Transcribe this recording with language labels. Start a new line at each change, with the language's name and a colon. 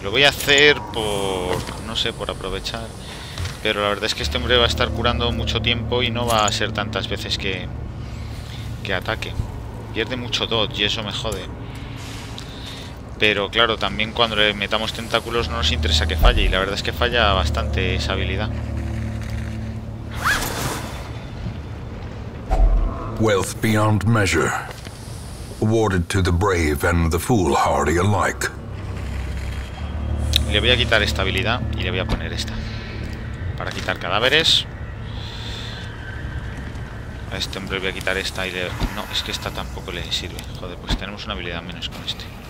Spanish: Lo voy a hacer por, no sé, por aprovechar. Pero la verdad es que este hombre va a estar curando mucho tiempo y no va a ser tantas veces que ataque. Pierde mucho dodge y eso me jode. Pero claro, también cuando le metamos tentáculos no nos interesa que falle. Y la verdad es que falla bastante esa habilidad.
English: Wealth beyond measure, awarded to the brave and the foolhardy alike.
Spanish: Le voy a quitar esta habilidad y le voy a poner esta para quitar cadáveres. A este hombre le voy a quitar esta y le... No, es que esta tampoco le sirve. Joder, pues tenemos una habilidad menos con este.